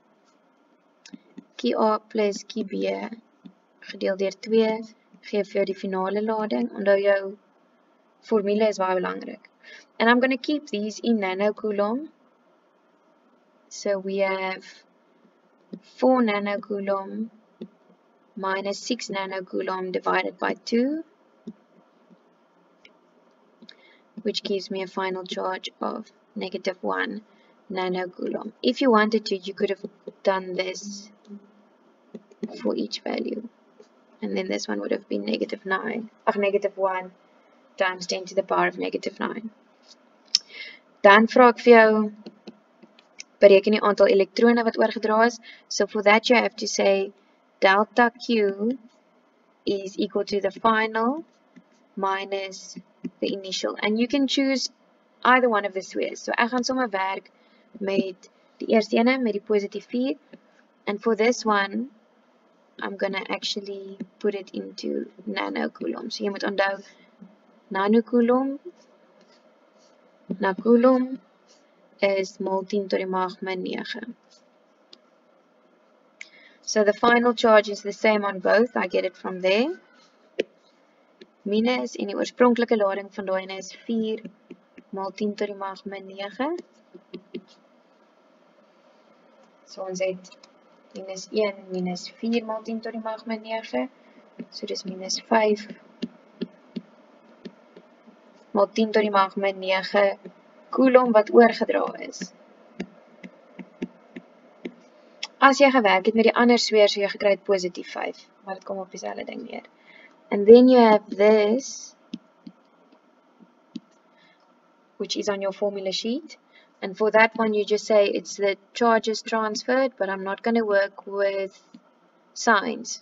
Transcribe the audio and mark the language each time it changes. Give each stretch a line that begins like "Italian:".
Afrikaans: 2.3. QA plus QB gedeel deur 2 gee vir jou die finale lading. Onthou jou formule is baie belangrik.
English: And I'm going to keep these in nanocoulomb. So we have 4 nanocoulomb minus 6 nanocoulomb divided by 2, which gives me a final charge of negative 1 nanocoulomb. If you wanted to, you could have done this for each value. And then this one would have been negative 9, or negative 1. Times 10 to the power of negative 9.
Afrikaans: Dan vra ek vir jou, bereken die aantal elektrone wat oorgedra is.
English: So for that you have to say delta Q is equal to the final minus the initial. And you can choose either one of the spheres.
Afrikaans: So ek gaan sommer werk met die eerste ene, met die positief 4.
English: And for this one, I'm going to actually put it into nanocoulomb.
Afrikaans: So jy moet onthou, nanocoulomb, nanocoulomb is mol 10 tot die mag min 9.
English: So the final charge is the same on both. I get it from there.
Afrikaans: Minus, en die oorspronklike lading van daai is 4 mol 10 tot die mag min 9. So ons het minus 1 minus 4 mol 10 tot die mag min 9. So dis minus 5. maal 10 tot die mag min 9 coulomb wat oorgedra is. As jy gewerk het met die ander sweer, so jy gekry het positief 5, maar dit kom op dieselfde ding neer.
English: And then you have this, which is on your formula sheet. And for that one, you just say it's the charges transferred, but I'm not going to work with signs.